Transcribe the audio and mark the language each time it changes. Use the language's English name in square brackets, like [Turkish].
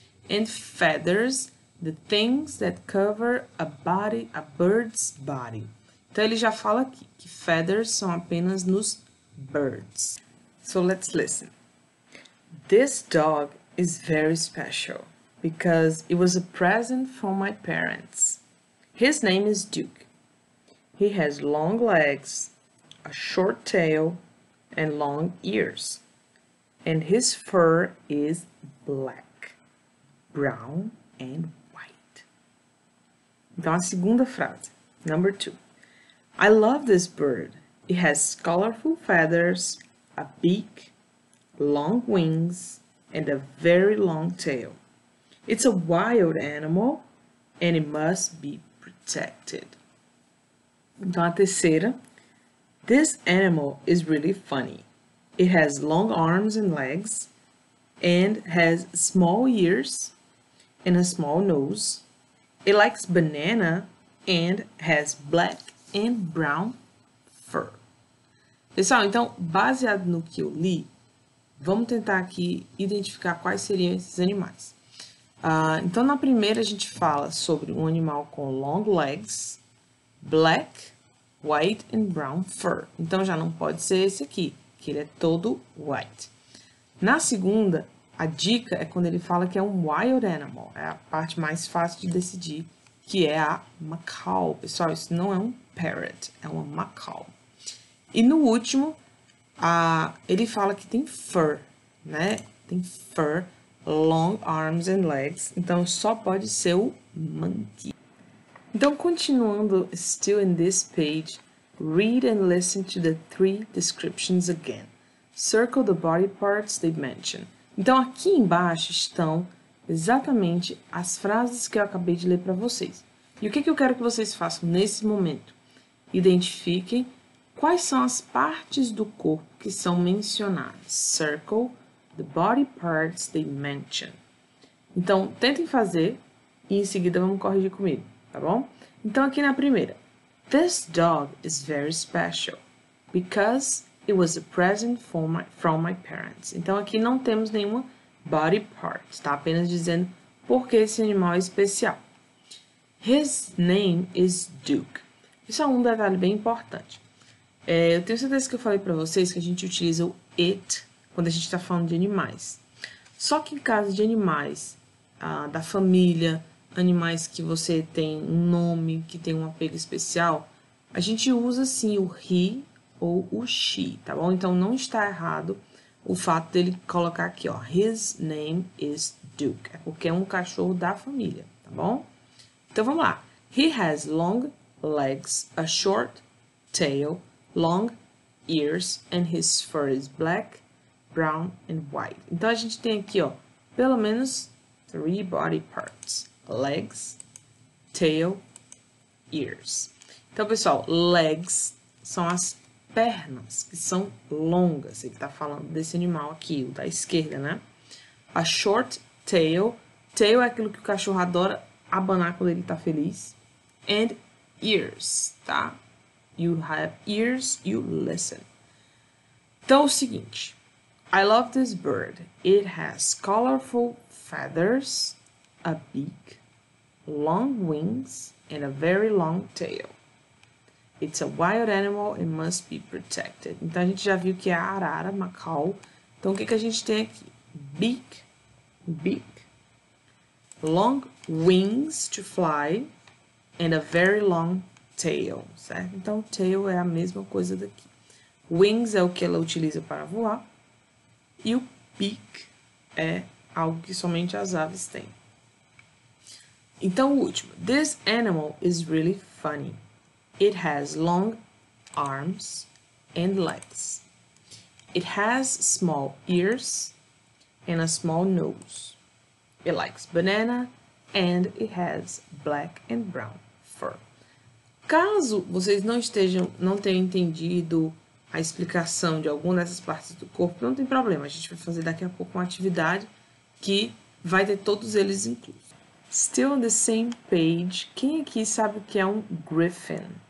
[English] And feathers, the things that cover a body, a bird's body. [Portuguese] Então ele já fala aqui que feathers são apenas nos birds. [English] So let's listen. This dog is very special because it was a present from my parents. His name is Duke. He has long legs, a short tail, and long ears. And his fur is black, brown and white. [Portuguese] Então a segunda frase, [English] number two. I love this bird. It has colorful feathers, a beak, long wings, and a very long tail. It's a wild animal and it must be protected. [Portuguese] Então, a terceira. [English] This animal is really funny. It has long arms and legs, and has small ears and a small nose. It likes banana and has black and brown fur. [Portuguese] Pessoal, então, baseado no que eu li, vamos tentar aqui identificar quais seriam esses animais. Então, na primeira, a gente fala sobre um animal com [English] long legs, black, white and brown fur. [Portuguese] Então, já não pode ser esse aqui, que ele é todo white. Na segunda, a dica é quando ele fala que é um wild animal, é a parte mais fácil de decidir, que é a macaw. Pessoal, isso não é um parrot, é uma macaw. E no último, ele fala que tem fur, né? Tem fur, [English] long arms and legs. [Portuguese] Então, só pode ser o monkey. Então, continuando, [English] still in this page, read and listen to the three descriptions again. Circle the body parts they mention. [Portuguese] Então, aqui embaixo estão exatamente as frases que eu acabei de ler para vocês. E o que que eu quero que vocês façam nesse momento? Identifiquem quais são as partes do corpo que são mencionadas. [English] Circle the body parts they mention. [Portuguese] Então, tentem fazer e em seguida vamos corrigir comigo, tá bom? Então, aqui na primeira. [English] This dog is very special because it was a present from my parents. [Portuguese] Então, aqui não temos nenhuma body part, está apenas dizendo por que esse animal é especial. [English] His name is Duke. [Portuguese] Isso é um detalhe bem importante. Eu tenho certeza que eu falei para vocês que a gente utiliza o it quando a gente está falando de animais. Só que em caso de animais da família, animais que você tem um nome, que tem um apego especial, a gente usa sim o he ou o she, tá bom? Então não está errado o fato dele colocar aqui, ó, [English] his name is Duke, [Portuguese] porque é um cachorro da família, tá bom? Então vamos lá. [English] He has long legs, a short tail, long ears, and his fur is black, brown and white. [Portuguese] Então a gente tem aqui, ó, pelo menos [English] three body parts: legs, tail, ears. [Portuguese] Então, pessoal, legs são as pernas, que são longas. Ele tá falando desse animal aqui, o da esquerda, né? [English] A short tail. [Portuguese] Tail é aquilo que o cachorro adora abanar quando ele tá feliz. [English] And ears, [Portuguese] tá? [English] You have ears, you listen. [Portuguese] Então, é o seguinte. [English] I love this bird. It has colorful feathers, a beak, long wings and a very long tail. It's a wild animal and must be protected. [Portuguese] Então a gente já viu que é a arara, macaw. Então o que que a gente tem aqui? [English] Beak, beak, long wings to fly and a very long tail, [Portuguese] certo? Então tail é a mesma coisa daqui. Wings é o que ela utiliza para voar e o beak é algo que somente as aves têm. Então, o último. [English] This animal is really funny. It has long arms and legs. It has small ears and a small nose. It likes banana and it has black and brown fur. [Portuguese] Caso vocês não tenham entendido a explicação de alguma dessas partes do corpo, não tem problema. A gente vai fazer daqui a pouco uma atividade que vai ter todos eles inclusos. [English] Still on the same page, [Portuguese] quem aqui sabe o que é um griffin?